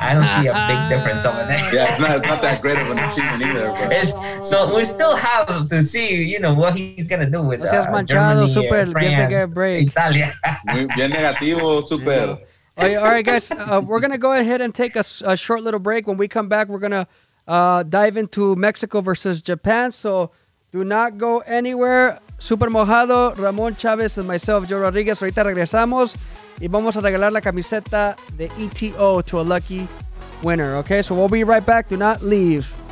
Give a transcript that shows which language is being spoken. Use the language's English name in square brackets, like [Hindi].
[English] I don't see a big difference over there. Yeah, it's not that great of an achievement either. So we still have to see, you know, what he's gonna do with Manchado, Germany, super, France, get a break. Italia. [Spanish] Muy bien negativo, super. [English] All right, guys, we're gonna go ahead and take a short little break. When we come back, we're gonna dive into Mexico versus Japan. So do not go anywhere. Super Mojado, Ramon Chavez, and myself, Joe Rodriguez. [Spanish] Ahorita regresamos. y vamos a regalar la camiseta de ETO [English] to a lucky winner, okay? So we'll be right back. Do not leave.